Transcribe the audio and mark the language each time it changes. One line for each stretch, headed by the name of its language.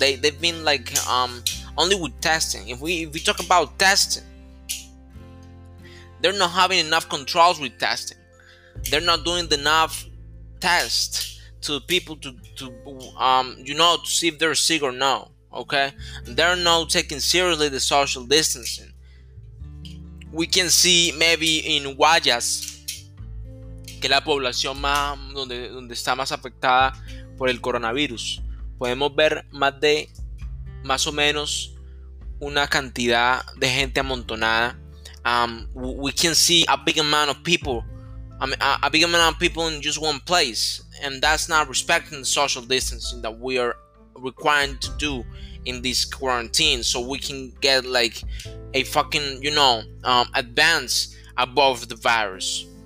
English: They've been like only with testing. If we talk about testing, they're not having enough controls with testing. They're not doing enough tests to people to see if they're sick or no. Okay? They're not taking seriously the social distancing. We can see maybe in Guayas,
Spanish: que la población más donde está más afectada por el coronavirus, podemos ver más o menos una cantidad de gente amontonada.
English: We can see a big amount of people in just one place, and that's not respecting the social distancing that we are required to do in this quarantine, so we can get like a fucking advance above the virus.